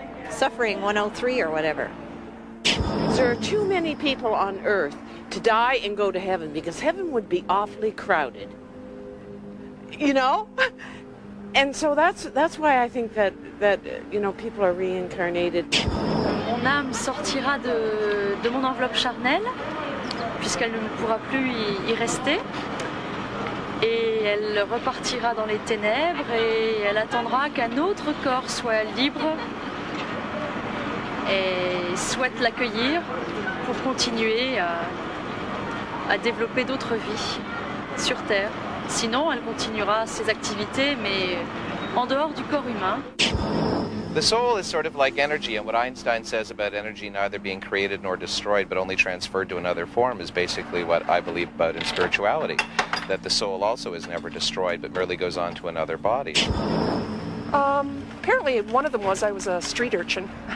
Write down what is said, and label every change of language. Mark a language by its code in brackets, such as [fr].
[en] Suffering 103 or whatever. There are too many people on earth to die and go to heaven, because heaven would be awfully crowded, you know? And so that's why I think that you know, people are reincarnated. [fr] Mon âme sortira de mon enveloppe charnelle, puisqu'elle ne pourra plus y rester. Et elle repartira dans les ténèbres, et elle attendra qu'un autre corps soit libre et souhaite l'accueillir pour continuer à développer d'autres vies sur Terre. Sinon, elle continuera ses activités, mais en dehors du corps humain. [en] The soul is sort of like energy, and what Einstein says about energy neither being created nor destroyed, but only transferred to another form, is basically what I believe about in spirituality, that the soul also is never destroyed, but merely goes on to another body. Apparently, one of them was I was a street urchin.